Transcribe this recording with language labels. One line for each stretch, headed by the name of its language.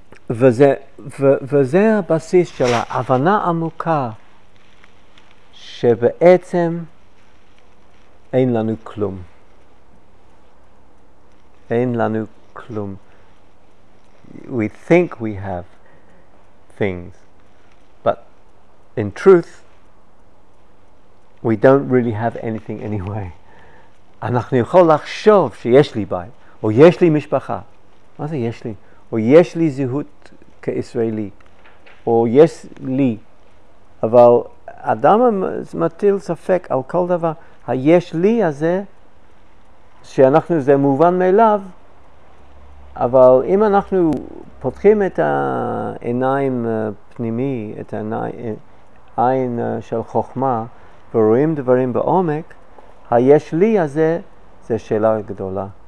Hebrew: וזה הבסיס של ההבנה עמוקה שבעצם אין לנו כלום. אין לנו כלום.
English: We think we have things, but in truth, we don't really have anything anyway.
Hebrew: אנחנו יכול לחשוב שיש לי בית, או יש לי משפחה. מה זה יש לי? או יש לי זהות כישראלי, או יש לי. אבל אדם מטיל ספק על כל דבר. היש לי הזה, שאנחנו זה מובן מאליו, אבל אם אנחנו פותחים את העיניים פנימי, את העין של חוכמה, ורואים דברים בעומק, היש לי הזה, זה שאלה גדולה.